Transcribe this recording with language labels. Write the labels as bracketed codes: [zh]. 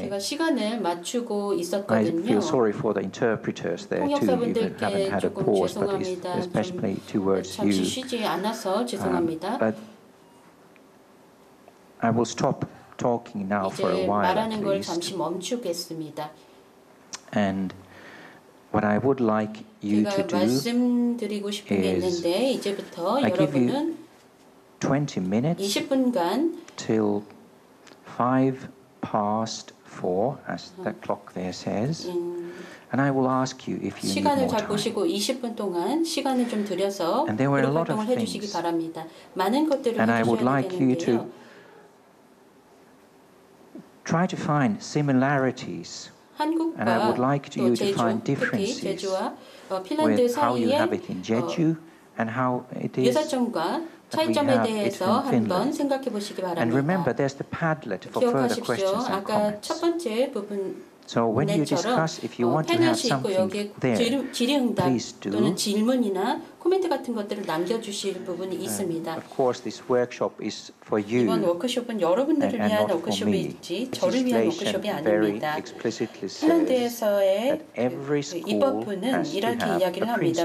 [ko] 제가 시간을 맞추고 있었거든요. [en] I feel sorry for the interpreters there too. You haven't had a pause, but especially towards you. [ko] 잠시 쉬지 않아서 죄송합니다. [en] But I will stop. Talking now for a while. [ko] 말하는 걸 잠시 멈추겠습니다. [en] And what I would like you to do is, [ko] 말씀드리고 싶은 게 있는데 이제부터 여러분은 [en] 20 minutes [ko] 20분간 [en] till 5 past 4 as the clock there says. And I will ask you if you [ko] 시간을 [en] need [ko] 잘 보시고 20분 동안 시간을 좀 드려서 활동을 해주시기 바랍니다. 많은 것들을 해주셔야 되는데요. [en] Try to find similarities, and I would like you to find differences with how you have it in Jeju and how it is that we have it in Finland. And remember, there's the Padlet for further questions and comments. So when you discuss, if you want to have something there, please do. [ko] 또는 질문이나 코멘트 같은 것들을 남겨주실 부분이 있습니다. [en] Of course, this workshop is for you. [ko] 이번 워크숍은 여러분들을 위한 워크숍이지 저를 위한 워크숍이 아닙니다. 핀란드에서의 입법부는 이렇게 이야기를 합니다.